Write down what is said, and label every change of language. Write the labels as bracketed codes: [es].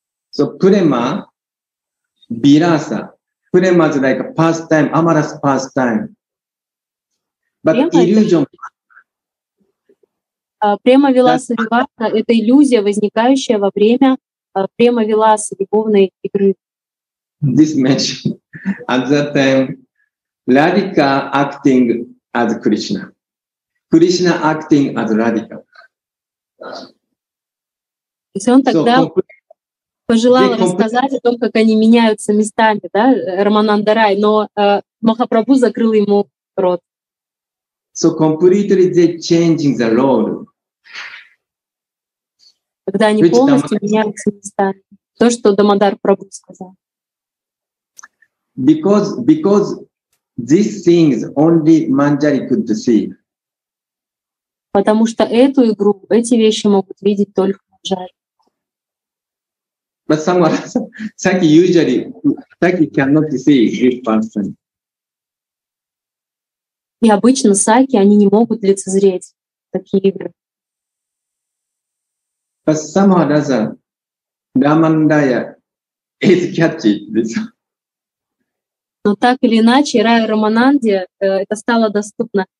[en] So према виласа. Према is like a pastime, amorous pastime. But prema illusion. [ru] Према виласа виварта — это иллюзия, возникающая во время према виласа, любовной игры. [en] This mentioned at that time, Radhika acting as Krishna, Krishna acting as Radhika. [ru] Пожелал рассказать о том, как они меняются местами, да, Рамананда Рай, но Махапрабху закрыл ему рот. [en] So completely they changing the role. [ru] Когда они полностью меняются местами, то, что Дамодар Прабху сказал. [en] Because these things only Manjari could see. [ru] Потому что эту игру, эти вещи могут видеть только Манджари. [en] But someone usually Saki cannot see this person. [ru] И обычно Саки они не могут лицезреть такие игры. [en] But somehow Ramanraya is catching this. [ru] Но так или иначе, Рай Рамананде это стало доступно.